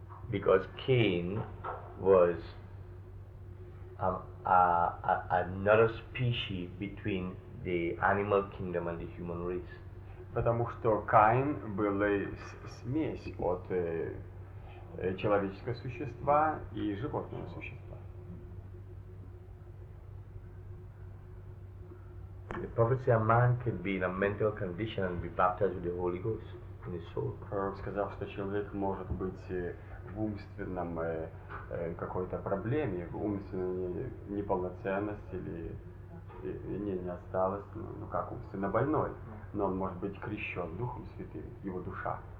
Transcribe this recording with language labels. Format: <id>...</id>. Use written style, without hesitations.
<en>Because Cain was another species between the animal kingdom and the human race.</en> <ru>Потому что Каин был смесь от человеческого существа и животного существа.</ru> <en>The prophet said a man could be in a mental condition and be baptized with the Holy Ghost in his soul.</en> <ru>Пророк сказал, что человек может быть в умственном какой-то проблеме, в умственной неполноценности или не осталось, ну как умственно больной. Но он может быть крещен Духом Святым, его душа.</ru>